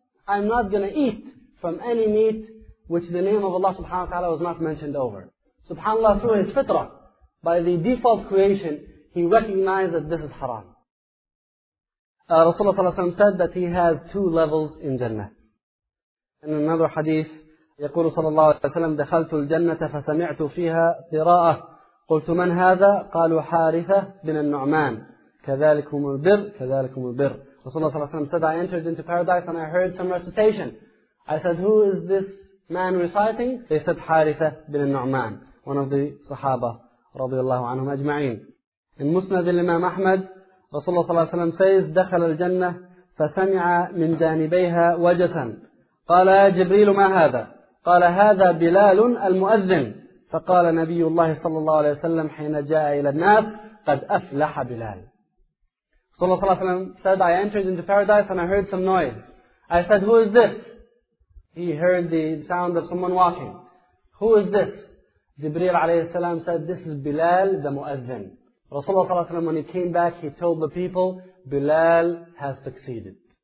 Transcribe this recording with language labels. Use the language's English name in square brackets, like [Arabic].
[English] I'm not going to eat from any meat which the name of Allah subhanahu wa ta'ala was not mentioned over. SubhanAllah, through his fitrah, by the default creation, he recognized that this is haram. Rasulullah sallallahu alaihi wasallam said that he has two levels in Jannah. In another hadith, [Arabic] يقول صلى الله عليه وسلم دخلت الجنة فسمعت فيها قراءة قلت من هذا قالوا حارثة بن النعمان كذلكم البر كذلكم البر. [English] Rasulullah صلى الله عليه وسلم said, I entered into paradise and I heard some recitation. I said, who is this man reciting? They said, حارثة بن النعمان, one of the Sahaba [Arabic] رضي الله عنهم أجمعين. [English] In Musnad al-Imam Ahmad, Rasulullah [Arabic] صلى الله عليه وسلم [English] says, [Arabic] دخل الجنة فسمع من جانبيها وجسا قال يا جبريل ما هذا قال هذا بلال المؤذن فقال نبي الله صلى الله عليه وسلم حين جاء إلى الناس قد أفلح بلال. [English] Rasulullah صلى الله عليه وسلم said, I entered into paradise and I heard some noise. I said, who is this? He heard the sound of someone walking. Who is this? Jibreel عليه السلام said, this is Bilal the Muazzin. Rasulullah صلى الله عليه وسلم, when he came back, he told the people, Bilal has succeeded.